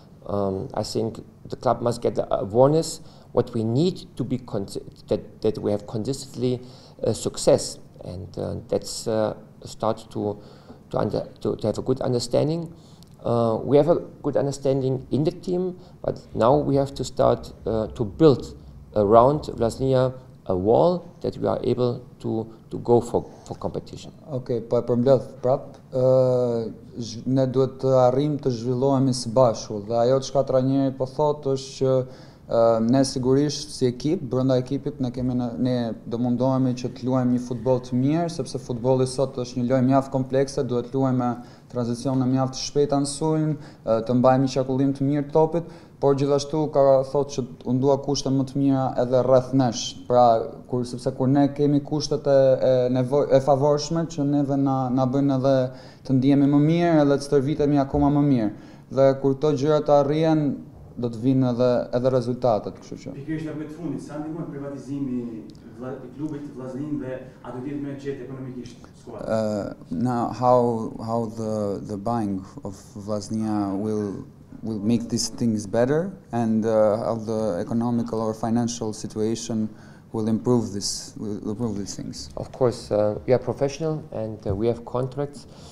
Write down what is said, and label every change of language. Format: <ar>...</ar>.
<en>I think the club must get the awareness what we need to be that we have consistently success, and that's start to have a good understanding. We have a good understanding in the team, but now we have to start to build around Vllaznia a wall that we are able to go for competition.</en> <sq>Okay, po e përmbledh prap. Ne duhet të arrim të zhvillohemi së bashku, dhe ajo çka trajneri po thotë është që Ne sigurisht si ekip, brenda ekipit ne kemi ne do mundohemi që të luajmë një futboll të mirë, sepse futbolli sot është një lojë mjaft komplekse, duhet të luajmë me tranzicione mjaft shpejta në sulm, të mbajmë qarkullim të mirë topit, por gjithashtu ka thotë që u ndua kushte më të mira edhe rreth nesh. Pra, kur sepse kur ne kemi kushtet e favorshme që neve na bëjnë edhe të ndihemi më mirë, edhe të stërvitemi akoma më mirë. Dhe kur këto gjëra të arrijnë do të vinë edhe rezultatet, kështu që. Pikërisht apo të fundit, sa ndihmon privatizimi i klubit të Vllaznin dhe a do të jetë më qetë ekonomikisht skuadra?</sq> <en>Now how the buying of Vllaznia will make these things better and how the economical or financial situation will improve these things. Of course, we are professional and we have contracts.</en>